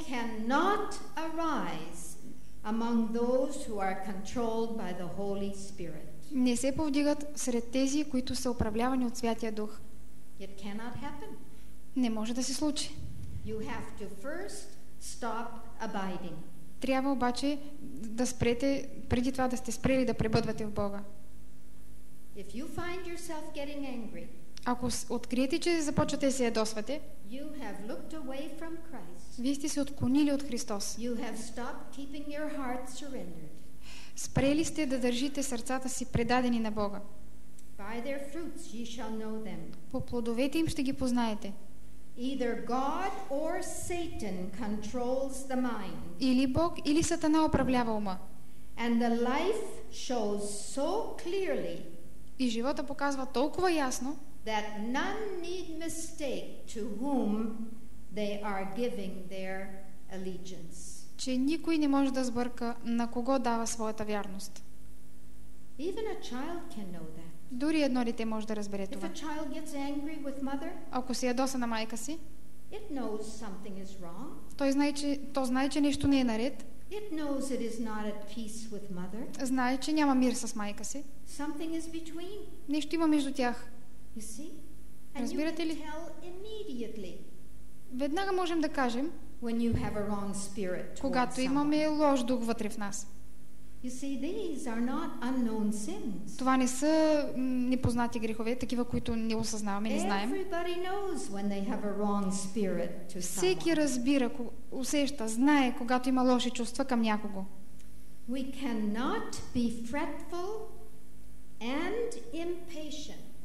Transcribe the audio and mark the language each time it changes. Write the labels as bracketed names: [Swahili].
[English] cannot arise among those who are controlled by the Holy Spirit. [Bulgarian] Не се повдигат сред тези, които са управлявани от Святия Дух. [English] It cannot happen. [Bulgarian] Не може да се случи. [English] You have to first stop abiding. [Bulgarian] Трябва обаче да спрете, преди това да сте спрели да пребъдвате в Бога. [English] If you find yourself getting angry, [Bulgarian] ако откриете, че започвате да се ядосвате, [English] you have looked away from Christ. [Bulgarian] Вие сте се отклонили от Христос. [English] You have stopped keeping your heart surrendered. [Bulgarian] Спрели сте да държите сърцата си предадени на Бога. [English] By their fruits ye shall know them. [Bulgarian] По плодовете им ще ги познаете. [English] Either God or Satan controls the mind. [Bulgarian] Или Бог, или Сатана управлява ума. [English] And the life shows so clearly, [Bulgarian] и живота показва толкова ясно, [English] that none need mistake to whom they are giving their allegiance. [Bulgarian] Че никой не може да сбърка на кого дава своята вярност. [English] Even a child can know that. [Bulgarian] Дори едно дете може да разбере това. [English] If a child gets angry with mother, [Bulgarian] ако се ядоса на майка си, [English] it knows something is wrong. [Bulgarian] То знае, че нещо не е наред. [English] It knows it is not at peace with mother. [Bulgarian] Знае, че няма мир с майка си. [English] Something is between. [Bulgarian] Нещо има между тях. [English] You see? And [Bulgarian] разбирате [English] you [Bulgarian] ли? [English] Can tell immediately. [Bulgarian] Веднага можем да кажем, [English] when you have a wrong spirit, [Bulgarian] когато имаме лош дух вътре в нас. [English] You see, these are not unknown sins. [Bulgarian] Това не са непознати грехове, такива, които не осъзнаваме, не знаем. [English] Everybody knows when they have a wrong spirit to someone. [Bulgarian] Всеки разбира, усеща, знае, когато има лоши чувства към някого. [English] We cannot be fretful and impatient.